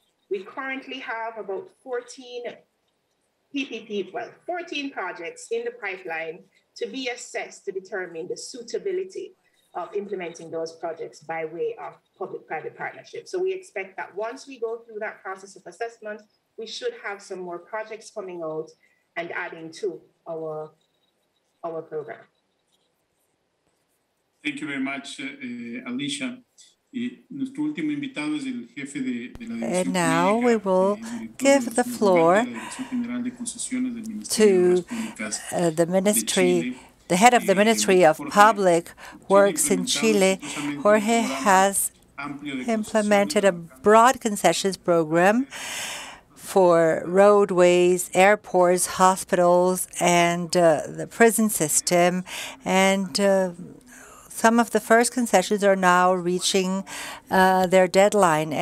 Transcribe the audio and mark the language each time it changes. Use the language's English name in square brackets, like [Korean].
[English] We currently have about 14 projects in the pipeline to be assessed to determine the suitability of implementing those projects by way of public-private partnership. So we expect that once we go through that process of assessment, we should have some more projects coming out and adding to our program. Thank you very much, Alicia. [Spanish] Nuestro último invitado es el jefe de la división jurídica. [English] And now we will give the floor to the ministry, the head of the Ministry of Public Works in Chile. Jorge has implemented a broad concessions program for roadways, airports, hospitals, and the prison system, and some of the first concessions are now reaching their deadline.